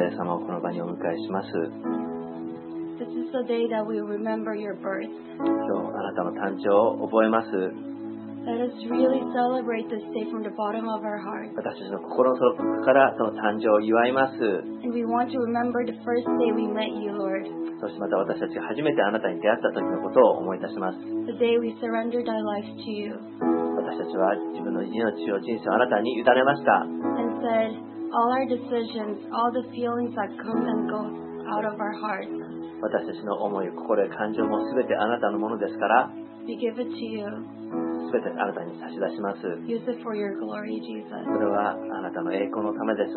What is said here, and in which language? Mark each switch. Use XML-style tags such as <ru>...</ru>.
<en>This is the day that we remember your birth.</en> <ja>今日あなたの誕生を覚えます。</ja> <en>Let us really celebrate this day from the bottom of our heart.</en> <ja>私たちの心の底からその誕生を祝います。</ja> <en>And we want to remember the first day we met you, Lord.</en> <ja>そしてまた私たちが初めてあなたに出会った時のことを思い出します。</ja> <en>The day we surrendered our lives to you.</en> <ja>私たちは自分の命を人生をあなたに委ねました。</ja> <en>And said,All our decisions, all the feelings that come and go out of our hearts.</en> <ja>私たちの思い、心や感情もすべてあなたのものですから。</ja> <en>We give it to you.</en> <ja>すべてあなたに差し出します。</ja> <en>Use it for your glory, Jesus.</en> <ja>それはあなたの栄光のためです。</ja>